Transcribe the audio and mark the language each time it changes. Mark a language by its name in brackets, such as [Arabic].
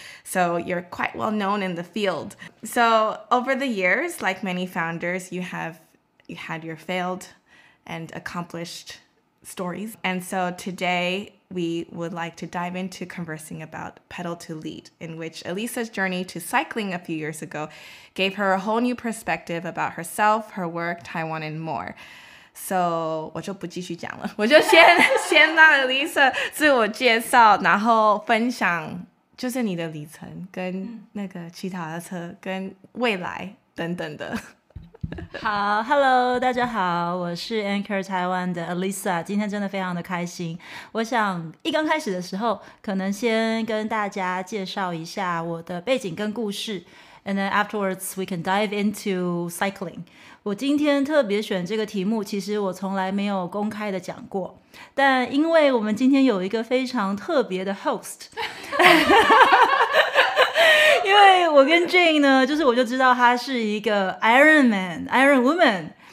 [English] So you're quite well known in the field. So over the years, like many founders, you had your failed and accomplished stories. And so today, we would like to dive into conversing about Pedal to Lead, in which Elisa's journey to cycling a few years ago gave her a whole new perspective about herself, her work, Taiwan, and more. [Chinese] So, 我就不继续讲了，我就先让 Elisa 自我介绍，然后分享就是你的里程跟那个骑脚踏车跟未来等等的。好 ，Hello， 大家好，我是 Anchor Taiwan 的 Elisa， 今天真的非常的开心。我想一刚开始的时候，可能先跟大家介绍一下我的背景跟故事。 [English] And then afterwards, we can dive into cycling. [Chinese] 我今天特别选这个题目，其实我从来没有公开的讲过。但因为我们今天有一个非常特别的 host， 因为我跟 Jane 呢，就是我就知道她是一个 Iron Man, Iron Woman。